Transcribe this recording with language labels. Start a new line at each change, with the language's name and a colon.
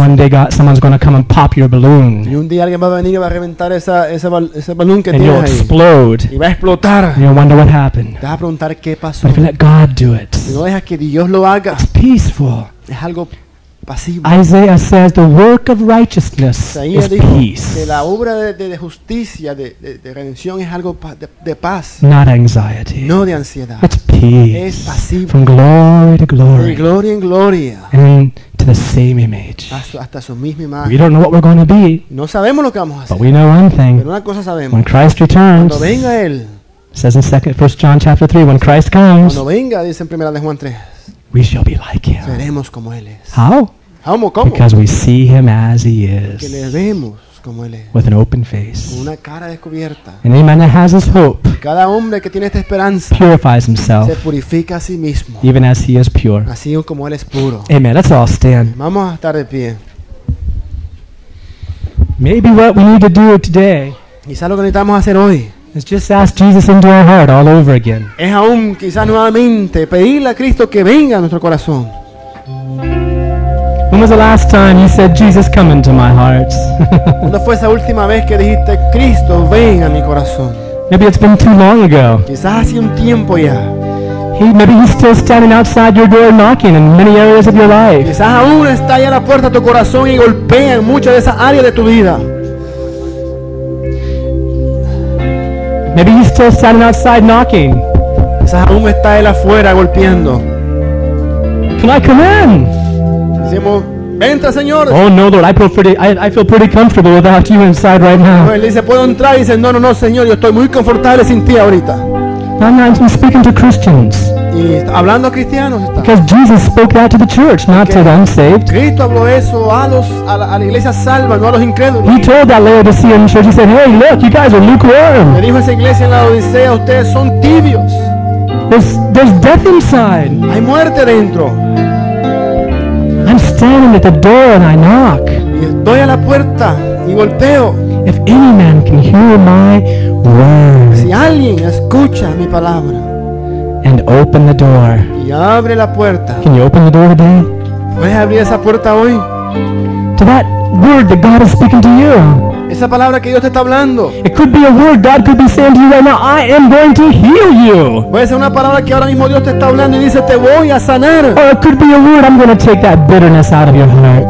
English: One day someone's going to come and pop your balloon.
Spanish: Y un día alguien va a venir y va a reventar ese balón que ahí.
English: And you'll explode.
Spanish: Y va a explotar.
English: And you'll wonder what happened.
Spanish: Te vas a preguntar qué pasó.
English: But if you let God do it,
Spanish: si no dejas que Dios lo haga,
English: it's peaceful.
Spanish: Es algo.
English: Isaiah says the work of righteousness is peace.
Spanish: Que la obra de justicia, de redención es algo de paz.
English: Not anxiety.
Spanish: No de ansiedad.
English: It's peace.
Spanish: Es pasivo.
English: From glory to glory.
Spanish: De gloria en gloria.
English: And to the same image.
Spanish: Hasta su misma imagen.
English: We don't know what we're going to be.
Spanish: No sabemos lo que vamos a hacer.
English: But we know one thing.
Spanish: Pero una cosa sabemos.
English: When Christ returns.
Spanish: Cuando venga él.
English: Says in 1 John chapter 3, when Christ comes.
Spanish: Cuando venga, dice en 1 Juan 3.
English: We shall be like him.
Spanish: Seremos como él es.
English: How?
Spanish: ¿Cómo, cómo?
English: Because we see him as he is.
Spanish: Que le vemos como él es.
English: With an open face.
Spanish: Una cara descubierta.
English: And any man that has this hope.
Spanish: Cada hombre que tiene esta esperanza.
English: Purifies himself.
Spanish: Se purifica a sí mismo.
English: Even as he is pure.
Spanish: Así como él es puro.
English: Amen. Let's all stand.
Spanish: Vamos a estar de pie.
English: Maybe what we need to do today.
Spanish: Quizá lo que necesitamos hacer hoy.
English: Let's just ask Jesus into our heart all over again.
Spanish: Es aún quizás nuevamente pedirle a Cristo que venga a nuestro corazón.
English: When was the last time you said Jesus come into my heart?
Spanish: ¿Cuándo fue esa última vez que dijiste Cristo ven a mi corazón?
English: Maybe it's been too long ago.
Spanish: Quizás hace un tiempo ya.
English: Maybe he's still standing outside your door knocking in many areas of your life.
Spanish: Quizás aún está allá a la puerta de tu corazón y golpea en muchas de esas áreas de tu vida.
English: Maybe he's still standing outside knocking.
Spanish: Quizás aún está él afuera golpeando.
English: Can I come in?
Spanish: Decimos, entra, Señor.
English: Oh no, Lord, I feel pretty comfortable without you inside right now.
Spanish: Él dice, puedo entrar. Y dice, no, no, no, Señor, yo estoy muy confortable sin ti ahorita.
English: I'm speaking to Christians.
Spanish: Y hablando a cristianos está.
English: Because Jesus spoke that to the church, not to the unsaved.
Spanish: Cristo habló eso a la iglesia salva, no a los incrédulos.
English: He told that Laodicean church, he said, hey, look, you guys are lukewarm.
Spanish: Le dijo a esa iglesia en la Odisea, ustedes son tibios.
English: There's death inside.
Spanish: Hay muerte dentro.
English: I'm standing at the door and I knock.
Spanish: Y estoy a la puerta y golpeo.
English: If any man can hear my word,
Spanish: si alguien escucha mi palabra,
English: and open the door,
Spanish: y abre la puerta,
English: can you open the door today?
Spanish: ¿Puedes abrir esa puerta hoy?
English: To that word that God is speaking to you.
Spanish: Esa palabra que Dios te está hablando.
English: It could be a word God could be saying to you right now. I am going to heal you.
Spanish: Puede ser una palabra que ahora mismo Dios te está hablando y dice, te voy a sanar.
English: Or it could be a word, I'm going to take that bitterness out of your heart.